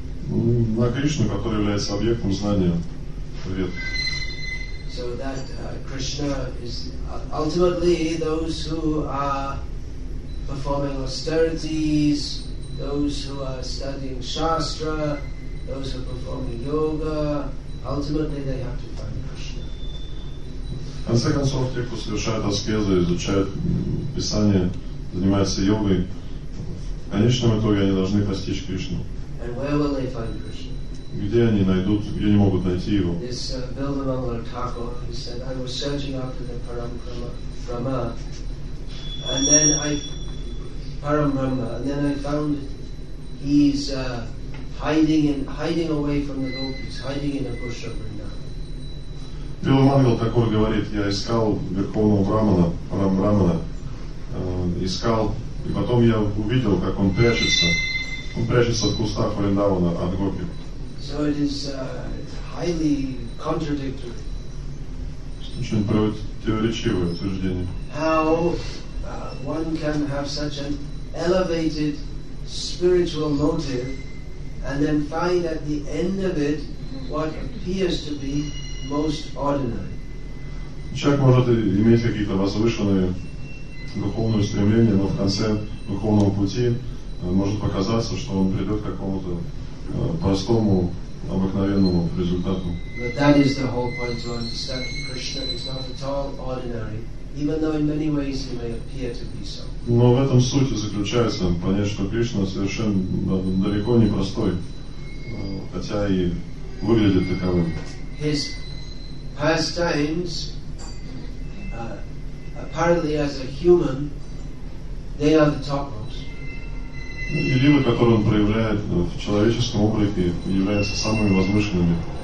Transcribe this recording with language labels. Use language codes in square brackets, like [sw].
[ru] На Кришну, который является объектом знания вед. [en] So that Krishna is ultimately those who are performing austerities, those who are studying Shastra, those who are performing yoga, ultimately they have to find Krishna. [ru] В конце концов, те, кто совершает аскезы, изучает Писание, занимается йогой, в конечном итоге они должны постичь Кришну. [en] And where will they find Krishna? [ru] Где они найдут, где они могут найти его? [en] This Bildamangala Thakur, he said, I was searching after the Parambrahma, and then I found he's hiding away from the gopis, hiding in a bush of Vrindavan. [ru] Bildamangala Thakur говорит, я искал Верховного Брамана, Парамбрамана, искал, и потом я увидел, как он прячется. Он прячется в кустах Вриндавана от гопи. [en] So it is highly contradictory. [ru] Очень противоречивое утверждение. [en] How one can have such an elevated spiritual motive and then find at the end of it what appears to be most ordinary. [ru] Человек может иметь какие-то возвышенные духовные стремления, но в конце духовного пути может показаться, что он придет к какому-то простому, обыкновенному результату. [en] But that is the whole point to understand that Krishna is not at all ordinary, even though in many ways he may appear to be so. [ru] Но в этом суть заключается, понять, что Кришна совершенно далеко не простой, хотя и выглядит таковым. [en] His pastimes, apparently as a human, they are the topmost. [ru] Идеалы, которые он проявляет в человеческом облике, являются самыми возвышенными.